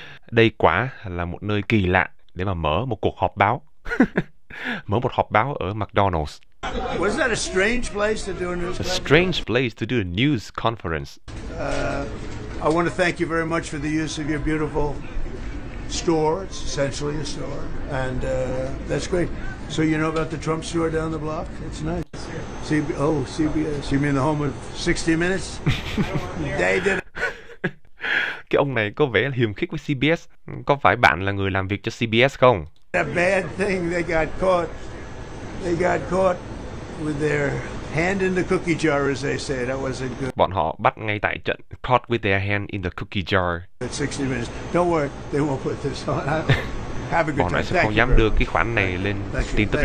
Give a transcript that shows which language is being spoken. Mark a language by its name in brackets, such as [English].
[Vietnamese] Đây quả là một nơi kỳ lạ để mà mở một cuộc họp báo. Mở một họp báo ở McDonald's. [English] Was that a strange place to do a news conference? A strange place to do a news conference. I want to thank you very much for the use of your beautiful store. It's essentially a store. And that's great. So you know about the Trump store down the block? It's nice. CBS. You mean the home of 60 Minutes? They did. [Vietnamese] Cái ông này có vẻ là hiềm khích với CBS. Có phải bạn là người làm việc cho CBS không? [English] A bad thing. They got caught. They got caught. With their hand in the cookie jar, as they say, that wasn't good. [Vietnamese] Bọn họ bắt ngay tại trận. [English] Caught with their hand in the cookie jar. At 60 Minutes. Don't worry, they won't put this on. Have a good time. [Vietnamese] Bọn họ sẽ không dám đưa cái khoản này lên tin tức